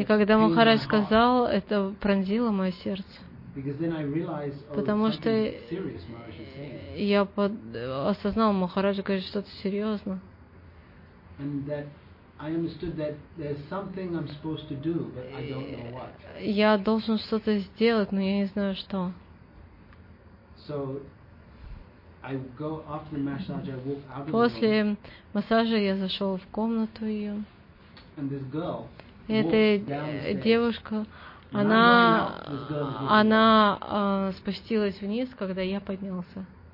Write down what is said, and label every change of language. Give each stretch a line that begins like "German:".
Russian: и когда Махарадж сказал, это пронзило мое сердце.
English: Because then I realized, oh,
Russian: потому что
English: serious, Maharaj is saying.
Russian: Я осознал, Махарадж говорит что-то серьезно.
English: And that I understood that there's something I'm supposed to do, but I don't know what.
Russian: Я должен что-то сделать, но я не знаю что.
English: So I go after the massage, I walk out of the room.
Russian: После массажа я зашел в комнату ее.
English: And this girl,
Russian: эта девушка, она спустилась вниз, когда я поднялся.